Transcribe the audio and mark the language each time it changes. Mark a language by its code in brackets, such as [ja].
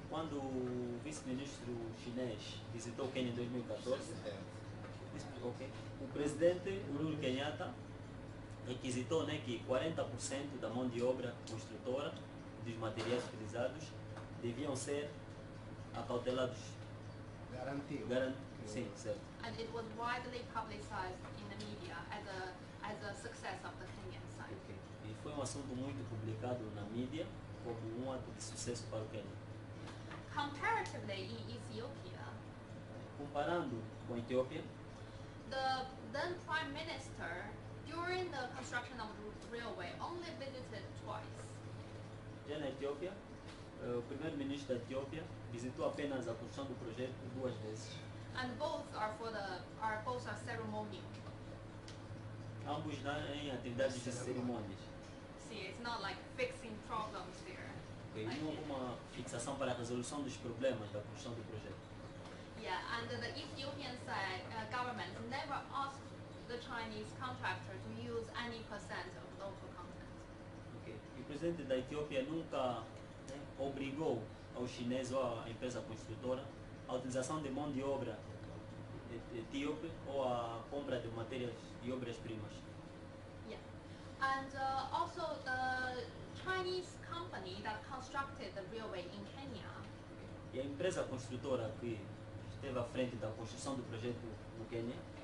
[pt] Quando o vice-ministro chinês visitou Kenya em 2014, okay, o presidente Uhuru Kenyatta requisitou, né, que 40% da mão de obra construtora dos materiais utilizados deviam ser acautelados. Garantiu. Sim, certo. [en] And it was widely publicized in the media as a success of the Kenyan side. [pt] Okay. E foi um assunto muito publicado na mídia como um ato de sucesso para o Quênia. [en] Comparatively, in Ethiopia, [pt] comparando com a Etiópia, [en] the then Prime Minister, during the construction of the railway, only visited twice. [pt] Já na Etiópia, o primeiro-ministro da Etiópia visitou apenas a construção do projeto 2 vezes. [en] And both are for the both are ceremonial. [pt] Ambos em atividades de cerimônias. [en] See, it's not like fixing problems there. [pt] Okay, like não uma fixação para a resolução dos problemas da construção do projeto. [en] Yeah, and the Ethiopian side government never asked the Chinese contractor to use any percent of local content. [pt] Okay, e o presidente da Etiópia nunca obrigou ao chinês ou à empresa construtora a utilização de mão de obra etíope ou a compra de matérias e obras-primas. [en] Yeah. And also the Chinese company that constructed the railway in Kenya. [pt] E a empresa construtora que esteve à frente da construção do projeto no Quênia.